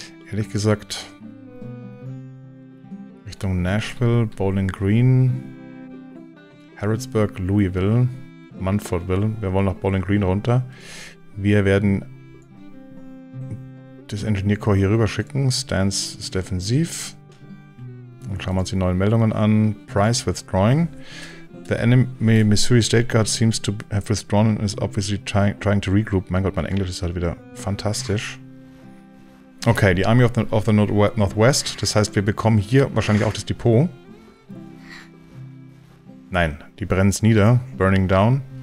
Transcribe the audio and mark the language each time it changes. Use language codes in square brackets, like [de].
[de] Ehrlich gesagt, Richtung Nashville, Bowling Green, Harrodsburg, Louisville, Munfordville. Wir wollen nach Bowling Green runter. Wir werden das Engineer Corps hier rüber schicken. Stance ist defensiv. Und schauen wir uns die neuen Meldungen an. [en] Price withdrawing. The enemy Missouri State Guard seems to have withdrawn and is obviously trying to regroup. [de] Mein Gott, mein Englisch ist halt wieder fantastisch. Okay, die Army of the Northwest. Das heißt, wir bekommen hier wahrscheinlich auch das Depot. Nein, die brennen es nieder. [en] Burning down.